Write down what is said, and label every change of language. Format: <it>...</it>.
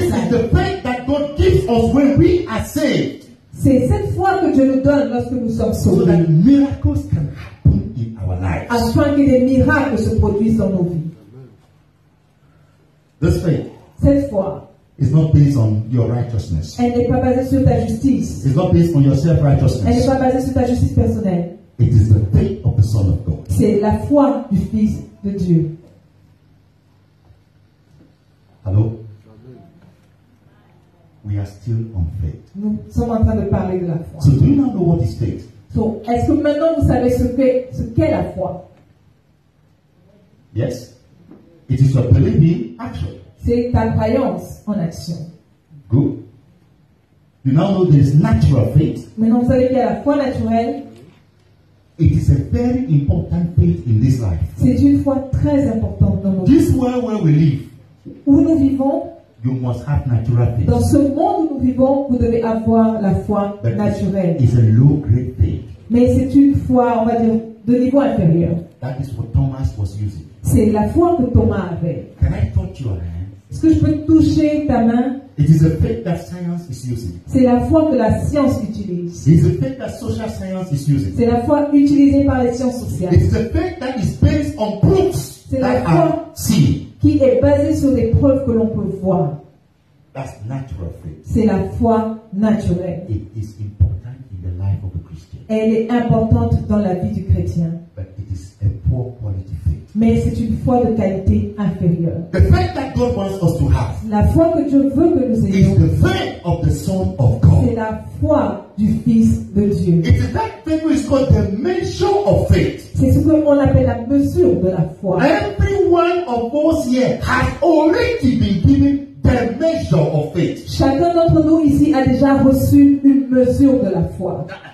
<en>This is the faith that God gives us when we are saved.</en> <fr>C'est cette foi que Dieu nous donne lorsque nous sommes sauvés.</fr> <en>So that miracles can happen in our lives.</en> <fr>Afin que des miracles se produisent dans nos vies.</fr> <en>This faith.</en> <fr>Cette foi.</fr> <en>It's not based on your righteousness.</en> <fr>Elle n'est pas basée sur ta justice.</fr> <en>It's not based on your self-righteousness.</en> <fr>Elle n'est pas basée sur ta justice personnelle.</fr> <en>It is the faith of the Son of God.</en> <fr>C'est la foi du Fils de Dieu.</fr> <en>Hello? We are still on faith.</en> <fr>Nous sommes en train de parler de la foi.</fr> <en>So do you now know what is faith?</en> <fr>So, est-ce que maintenant vous savez ce qu'est la foi?</fr> <en>Yes. It is your believing action.</en> <fr>C'est ta croyance en action.</fr> <en>Good. You now know there is natural faith.</en> <fr>Maintenant vous savez qu'il y a la foi naturelle.</fr> <en>It is a very important faith in this life.</en> <fr>C'est une foi très importante dans notre</fr> <en>this world where we live.</en> <fr>Où nous vivons.</fr> <en>You must have natural faith.</en> <fr>Dans ce monde où nous vivons, vous devez avoir la foi</fr> <en>but</en> <fr>naturelle.</fr> <en>It's a low grade faith.</en> <fr>Mais c'est une foi, on va dire, de niveau inférieur.</fr> <en>That is what Thomas was using.</en> <fr>C'est la foi que Thomas avait.</fr> <en>Can I touch your hand?</en> <fr>Est-ce que je peux toucher ta main?</fr> <en>It is a faith that science is using.</en> <fr>C'est la foi que la science utilise.</fr> <en>It is a faith that social science is using.</en> <fr>C'est la foi utilisée par les sciences sociales.</fr> <en>It is a faith that is based on proofs.</en> <fr>C'est la</fr> <en>that</en> <fr>foi</fr> <en>see.</en> <fr>Qui est basée sur des preuves que l'on peut voir.</fr> <en>That's natural faith.</en> <fr>C'est la foi naturelle.</fr> <en>It is important in the life of a Christian.</en> <fr>Elle est importante dans la vie du chrétien.</fr> <en>But it is a poor quality faith.</en> <fr>Mais c'est une foi de qualité inférieure.</fr> <en>The faith that God wants us to have.</en> <fr>La foi que Dieu veut que nous ayons.</fr> <en>Is the faith of the Son of God.</en> <fr>C'est la foi du Fils de Dieu.</fr> <en>It is that thing which is called the measure of faith.</en> <fr>C'est ce que on appelle la mesure de la foi.</fr> <en>Every one of us here has already been given the measure of faith.</en> <fr>Chacun d'entre nous ici a déjà reçu une mesure de la foi.</fr>